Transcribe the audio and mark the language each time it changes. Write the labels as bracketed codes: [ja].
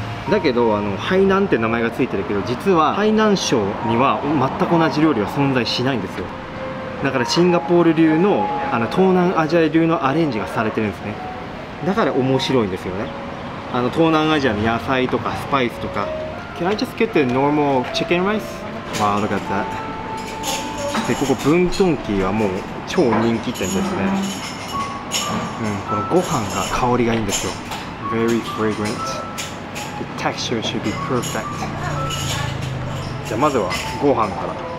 [ja] だけど台南って名前がついてるけど、実は台南省には全く同じ料理は存在しないんですよ。だからシンガポール流 の東南アジア流のアレンジがされてるんですね。だから面白いんですよね。東南アジアの野菜とかスパイスとか。 [en] Can I just get the normal chicken rice? Wow, look at that. [ja] で、ここブントンキーはもう超人気店ですね。うん、このご飯が香りがいいんですよ。 [en] Very fragrant. The texture should be perfect. [ja] じゃあまずはご飯から。